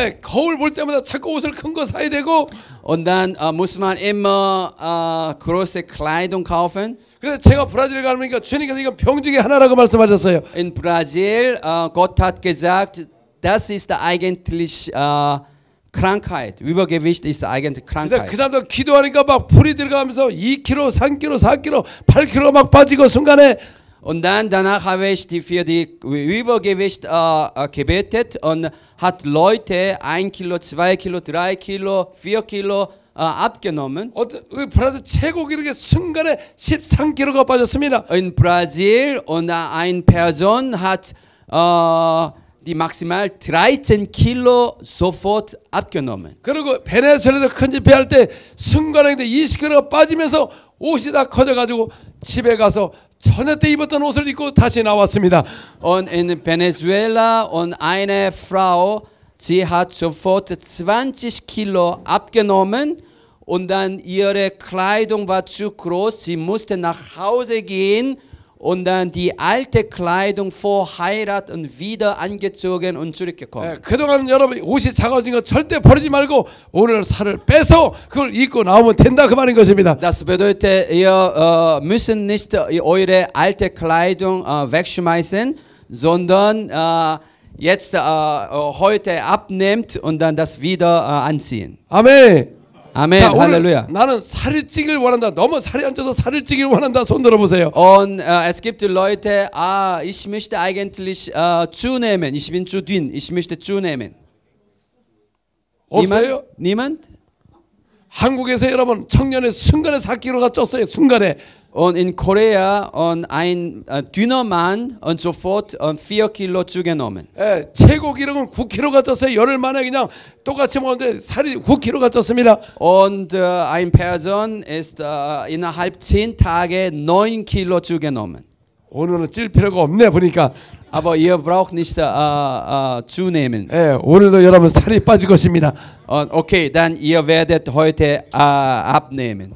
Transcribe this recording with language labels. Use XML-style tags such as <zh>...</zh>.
<ko>에, 거울 볼 때마다 자꾸 옷을 큰 거 사야 되고</ko> <de>und dann muss man immer große Kleidung kaufen.</de> <ko>그래서 제가 브라질 가니까 주님께서 이건 병 중에 하나라고 말씀하셨어요.</ko> <de>In Brasil Gott hat gesagt, das ist eigentlich Krankheit, Übergewicht ist eigentlich Krankheit.</de> <ko>그 다음부터 기도하니까 막 불이 들어가면서 2kg, 3kg, 4kg, 8kg 막 빠지고 순간에</ko> <de>Und dann danach habe ich für die Übergewicht gebetet und hat Leute 1kg, 2kg, 3kg, 4kg abgenommen.</de> <ko>브라질 최고 기록에 순간에 13kg가 빠졌습니다.</ko> <de>In Brazil und eine Person hat die maximal 13 Kilo sofort abgenommen.</de> <ko>그리고 베네수엘에서 큰 집회할 때 순간에 20kg가 빠지면서 옷이 다 커져가지고 집에 가서 전에 때 입었던 옷을 입고 다시 나왔습니다.</ko> <de>Und in Venezuela und eine Frau, sie hat sofort 20 Kilo abgenommen und dann ihre Kleidung war zu groß. Sie musste nach Hause gehen. Und dann die alte Kleidung vor Heirat und wieder angezogen und zurückgekommen.</de> <ko>그동안 여러분 옷이 작아진 거 절대 버리지 말고 오늘 살을 빼서 그걸 입고 나오면 된다 그 말인 것입니다.</ko> <de>Das bedeutet, ihr müssen nicht eure alte Kleidung wegschmeißen, sondern jetzt heute abnimmt und dann das wieder anziehen. Amen. Amen.</de> <ko>자,</ko> <de>Halleluja.</de> <ko>나는 살을 찌기를 원한다. 너무 살이 안 쪄서 살을 찌기를 원한다. 손 들어 보세요.</ko> <de>Und es gibt Leute, ich möchte eigentlich zunehmen. Ich bin zu dünn. Ich möchte zunehmen.</de> <ko>없어요?</ko> <de>Niemand?</de> <ko>한국에서 여러분 청년의 순간에 4kg가 쪘어요. 순간에.</ko> <de>Und in Korea und ein dünner Mann und sofort 4kg zugenommen.</de> <ko>예, 최고 기록은 9kg가 쪘어요. 열흘 만에 그냥 똑같이 먹는데 살이 9kg가 쪘습니다.</ko> <de>Und ein Person ist innerhalb 10 Tage 9kg zugenommen.</de> <ko>오늘은 찔 필요가 없네 보니까.</ko> <de>Aber ihr braucht nicht zunehmen.</de> <ko>예, 오늘도 여러분 살이 빠질 것입니다.</ko> <de>Okay, dann ihr werdet heute abnehmen.</de>